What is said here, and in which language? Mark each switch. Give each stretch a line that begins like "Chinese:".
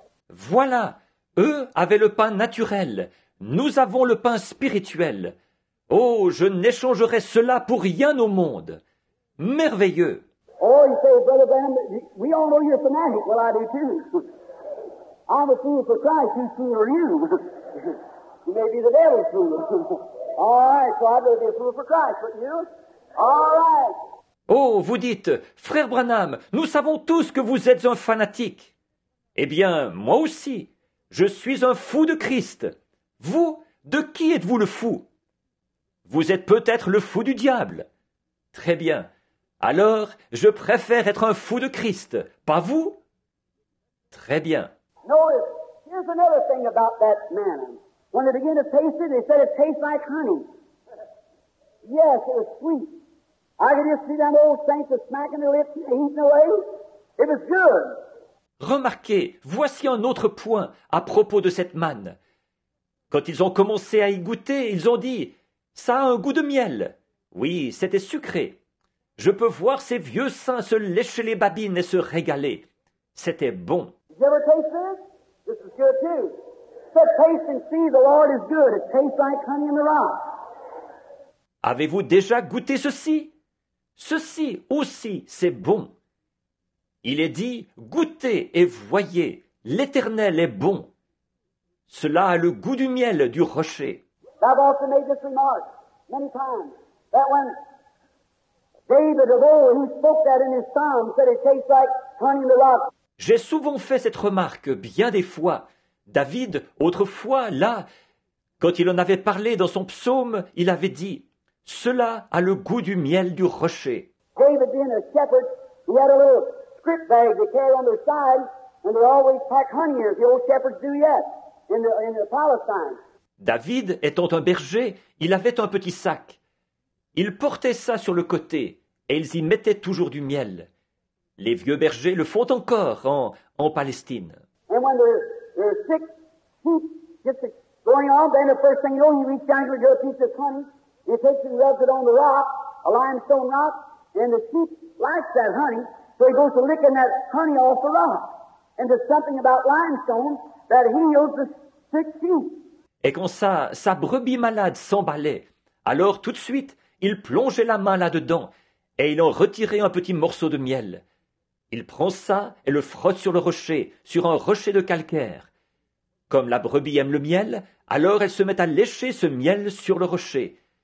French: Voilà, eux avaient le pain naturel, nous avons le pain spirituel. Oh, je n'échangerai cela pour rien au monde. Merveilleux.
English: Oh, you say, Brother Bram, we all know you're fanatic. Well, I do too. I'm a fool for Christ, whose fool are you? You may be the devil's fool. All right, so I'd rather be a fool for Christ, but you? All right.
French: Oh, vous dites, Frère Branham, nous savons tous que vous êtes un fanatique. Eh bien, moi aussi, je suis un fou de Christ. Vous, de qui êtes-vous le fou? Vous êtes peut-être le fou du diable. Très bien. Alors, je préfère être un fou de Christ, pas vous? Très bien.
English: Notice, here's another thing about that manna. When they began to taste it, they said it tastes like honey. Yes, it was sweet. I could just see them old saints smacking their lips and eating away. It was good.
French: Remarquez, voici un autre point à propos de cette manne. Quand ils ont commencé à y goûter, ils ont dit « Ça a un goût de miel. » Oui, c'était sucré. Je peux voir ces vieux saints se lécher les babines et se régaler. C'était bon.
English: Have you ever tasted this? This is good too. So taste and see the Lord is good. It tastes like honey in the rock.
French: Avez-vous déjà goûté ceci? Ceci aussi, c'est bon. Il est dit, goûtez et voyez, l'Éternel est bon. Cela a le goût du miel du rocher.
English: I've also made this remark many times, that when David of old, he spoke that in his psalm, said it tastes like honey in the rock.
French: J'ai souvent fait cette remarque, bien des fois. David, autrefois, là, quand il en avait parlé dans son psaume, il avait dit, « Cela a le goût du miel du rocher. »
English: David, being a shepherd, he had a little script bag they carry on their side, and they always pack honey, as the old shepherds do yet, in the Palestine.
French: David, étant un berger, il avait un petit sac. Il portait ça sur le côté, et ils y mettaient toujours du miel. Les vieux bergers le font encore en Palestine.
English: And when there's six sheep just going on, then the first thing you know, you reach down to get a piece of honey, you take it and rub it on the rock, a limestone rock, and the sheep likes that honey, so he goes to licking that honey off the rock. And there's something about limestone that heals the sick sheep.
French: Et quand sa brebis malade s'emballait, alors tout de suite, il plongeait la main là-dedans et il en retirait un petit morceau de miel. Il prend ça et le frotte sur le rocher, sur un rocher de calcaire. Comme la brebis aime le miel, alors elle se met à lécher ce miel sur le rocher.